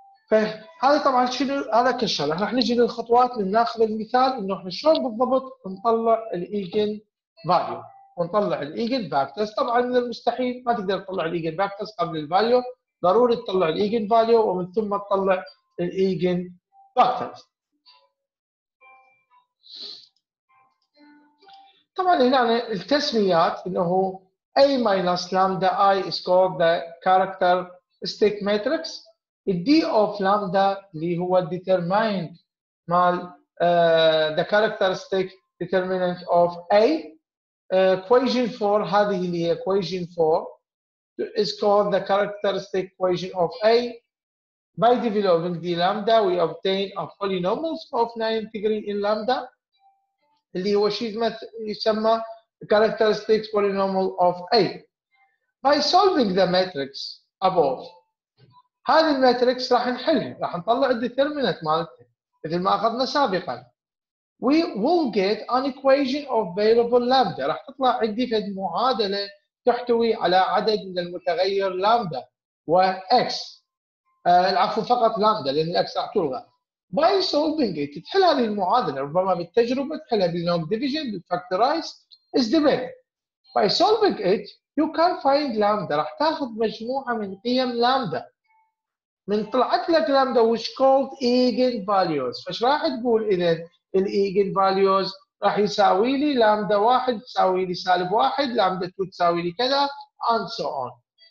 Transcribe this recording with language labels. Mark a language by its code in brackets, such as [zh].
[ar] فهذا طبعا شنو هذا كشرح. رح نجي للخطوات لناخذ المثال انه احنا شلون بالضبط نطلع الايجن فاليو ونطلع الايجن فاكتورز. طبعا من المستحيل ما تقدر تطلع الايجن فاكتورز قبل الفاليو. ضروري تطلع الايجن فاليو ومن ثم تطلع الايجن فاكتورز. طبعا هنا التسميات انه [en] A minus lambda I is called the characteristic matrix. D of lambda [ar] اللي هو [en] determined مال the characteristic determinant of A. Equation 4 [ar] هذه اللي هي [en] equation 4 is called the characteristic equation of A. By developing d lambda, we obtain a polynomial of 9th degree in lambda. [ar] اللي هو شيء يسمى [en] characteristic polynomial of A. By solving the matrix above, [ar] هذه المatrix راح نحلها، راح نطلع الديترمينت مالتها مثل ما أخذنا سابقا. [en] We will get an equation of variable lambda. [ar] راح تطلع عندي فد معادلة تحتوي على عدد من المتغير لامدا و x. العفو فقط لامدا لأن x راح تلغى. [en] By solving it, [ar] تحل هذه المعادلة ربما بالتجربة تحلها بالlong division بالfactorize [en] is the way. By solving it, you can find lambda. [ar] راح تاخذ مجموعة من قيم لامدا. من طلعت لك لامدا [en] which called eigen values. [ar] فش راح تقول إذا الايجن فاليوز راح يساوي لي لامدا 1 تساوي لي سالب 1 لامدا 2 تساوي لي كذا [en] and so on.